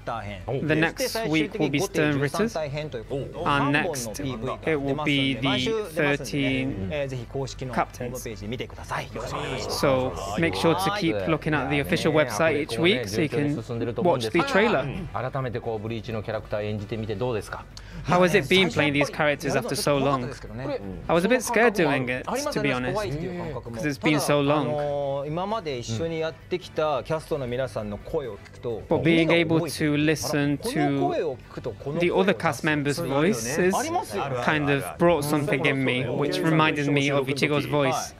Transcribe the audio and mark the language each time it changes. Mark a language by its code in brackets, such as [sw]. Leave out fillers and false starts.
[en] The next week will be Stern Ritters, and next it will be the 13 Captains. So make sure to keep looking at the official website each week so you can watch the trailer. [ja] こうブリーチのキャラクター演じてみてどうですか？ [en] How has it been playing these characters after so long? I was a bit scared doing it, to be honest, because it's been so long. [ja] 今まで一緒にやってきたキャストの皆さんの声を聞くと、 [en] But being able to listen to the other cast members' voices kind of brought something in me, which reminded me of Ichigo's voice.